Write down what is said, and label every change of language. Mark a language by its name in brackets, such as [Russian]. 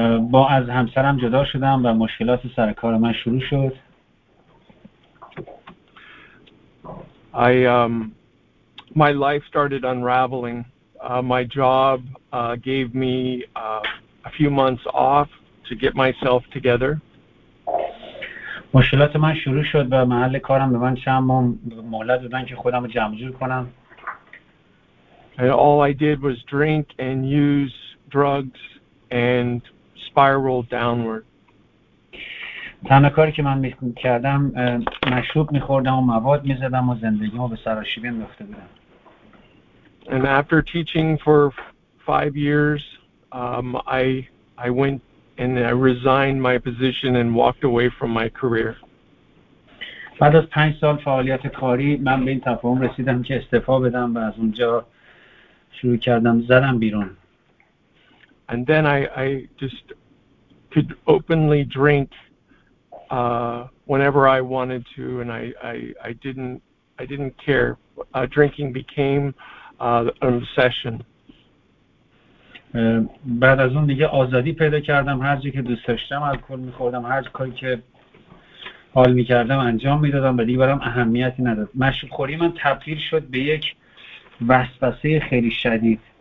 [Persian] با از همسرم جدا شدم و مشکلات سر کار من شروع شد. [English] My life started unraveling. My job gave me a few months off to get myself together. [Persian] مشکلات من شروع شد و محل کارم به من چند ماه مهلت دادن که خودم رو جمع‌جور کنم. [English] And all I did was drink and use drugs and spiral downward. [Persian] تنها کاری که من می‌کردم مشروب می‌خوردم و مواد می‌زدم و زندگیمو به سرآشوب انداخته بودم. [English] And after teaching for 5 years, I went and I resigned my position and walked away from my career. [Persian] بعد از 5 سال فعالیت کاری من به این تفاهم رسیدم که استعفا بدم و از اونجا شروع کردم زدم بیرون. [English] And then I just could openly drink whenever I wanted to, and I didn't care. Drinking became obsession. [Persian] بعد از اون دیگه آزادی پیدا کردم، هر چیزی که دوست داشتم الکل می‌خوردم، هر کاری که حال می‌کردم انجام می‌دادم و دیگه برام اهمیتی نداشت. مشروب خوری من تبدیل شد به یک وسوسه خیلی شدید.